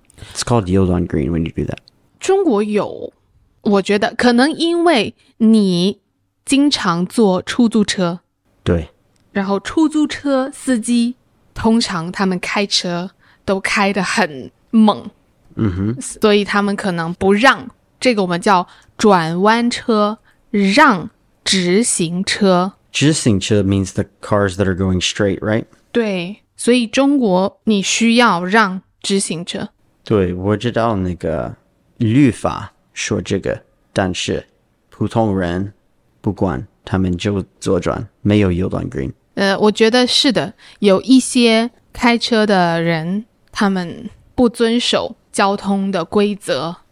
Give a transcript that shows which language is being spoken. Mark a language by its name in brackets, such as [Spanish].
[English] It's called yield on green when you do that. [Chinese] 中国有，我觉得可能因为你经常坐出租车。对。然后出租车司机通常他们开车都开得很猛。嗯哼。所以他们可能不让，这个我们叫转弯车，让直行车。 [English] 直行车 means the cars that are going straight, right? [Chinese] 对，所以中国你需要让直行车。对，我知道那个律法说这个，但是普通人不管，他们就左转，没有 [English] yield on green。 [Chinese] 我觉得是的，有一些开车的人，他们不遵守交通的规则。